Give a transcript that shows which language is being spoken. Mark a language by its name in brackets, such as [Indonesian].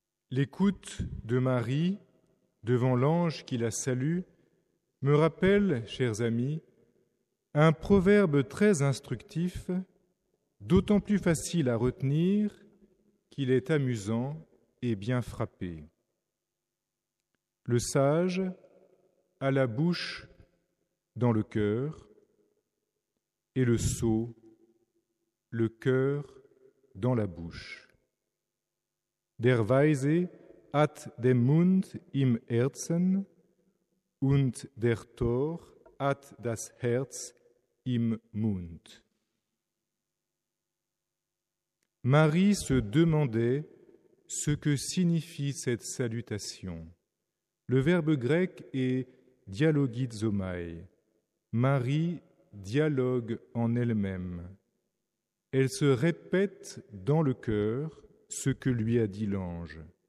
[French] L'écoute de Marie devant l'ange qui la salue me rappelle, chers amis, un proverbe très instructif, d'autant plus facile à retenir qu'il est amusant et bien frappé. Le sage a la bouche dans le cœur et le sceau le cœur dans la bouche. [German] Der Weise hat den Mund im Herzen und der Tor hat das Herz im Mund. [French] Marie se demandait ce que signifie cette salutation. Le verbe grec est dialogizomai. Marie dialogue en elle-même. Elle se répète dans le cœur ce que lui a dit l'ange.